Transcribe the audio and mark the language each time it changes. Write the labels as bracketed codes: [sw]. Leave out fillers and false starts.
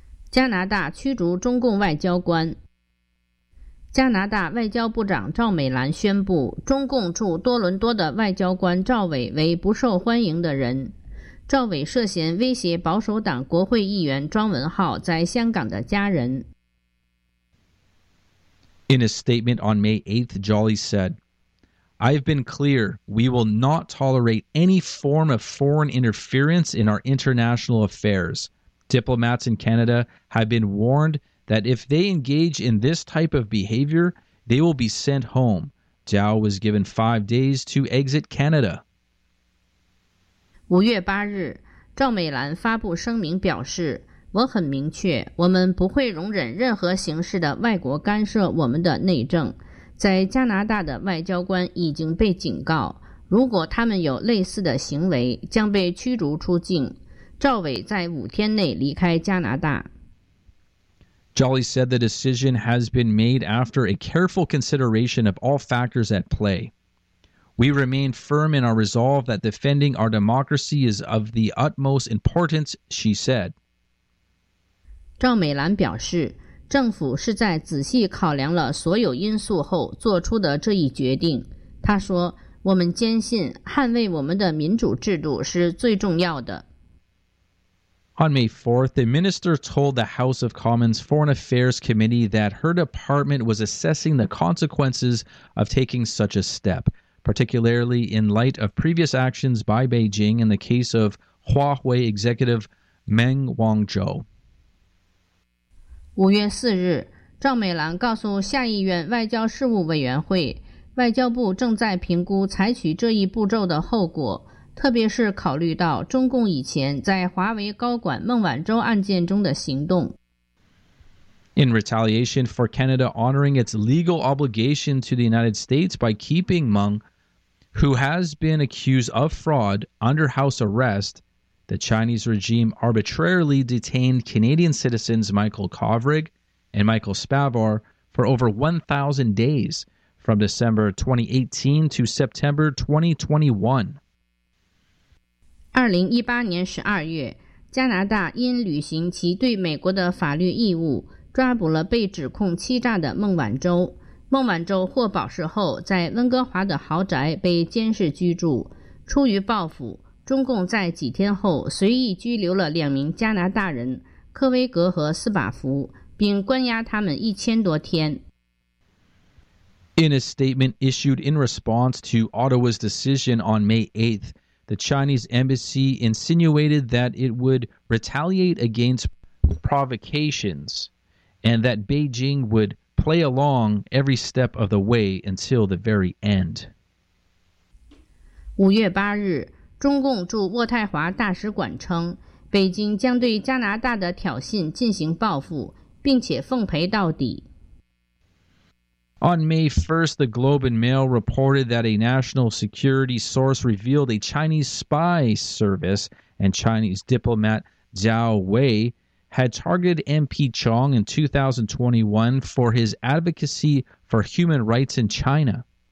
[zh] 加拿大驱逐中共外交官。加拿大外交部长赵美兰宣布，中共驻多伦多的外交官赵伟为不受欢迎的人。赵伟涉嫌威胁保守党国会议员庄文浩在香港的家人。 [en] In a statement on May 8th, Joly said, I have been clear, we will not tolerate any form of foreign interference in our international affairs. Diplomats in Canada have been warned that if they engage in this type of behavior, they will be sent home. Zhao was given 5 days to exit Canada. [zh] 5月8日，赵美兰发布声明表示，我很明确，我们不会容忍任何形式的外国干涉我们的内政。在加拿大的外交官已经被警告，如果他们有类似的行为，将被驱逐出境。赵伟在5天内离开加拿大。 [en] Joly said the decision has been made after a careful consideration of all factors at play. We remain firm in our resolve that defending our democracy is of the utmost importance, she said. [zh] 赵美兰表示，政府是在仔细考量了所有因素后做出的这一决定。她说，我们坚信捍卫我们的民主制度是最重要的。 [en] On May 4th, the minister told the House of Commons Foreign Affairs Committee that her department was assessing the consequences of taking such a step. Particularly in light of previous actions by Beijing in the case of Huawei executive Meng Wanzhou. [zh] 5月4日，赵美兰告诉下议院外交事务委员会，外交部正在评估采取这一步骤的后果，特别是考虑到中共以前在华为高管孟晚舟案件中的行动。 [en] In retaliation for Canada honoring its legal obligation to the United States by keeping Meng, who has been accused of fraud, under house arrest, the Chinese regime arbitrarily detained Canadian citizens Michael Kovrig and Michael Spavor for over 1,000 days, from December 2018 to September 2021. [zh] 2018年12月，加拿大因履行其对美国的法律义务抓捕了被指控欺诈的孟晚舟。孟晚舟获保释后，在温哥华的豪宅被监视居住。出于报复，中共在几天后随意拘留了2名加拿大人，科威格和斯巴福，并关押他们1000多天。 [en] In a statement issued in response to Ottawa's decision on May 8th, the Chinese embassy insinuated that it would retaliate against provocations. And that Beijing would play along every step of the way until the very end. [zh] 5月8日，中共驻渥太华大使馆称，北京将对加拿大的挑衅进行报复，并且奉陪到底。 [en] On May 1st, the Globe and Mail reported that a national security source revealed a Chinese spy service and Chinese diplomat Zhao Wei. Had targeted MP Chong in 2021 for his advocacy for human rights in China.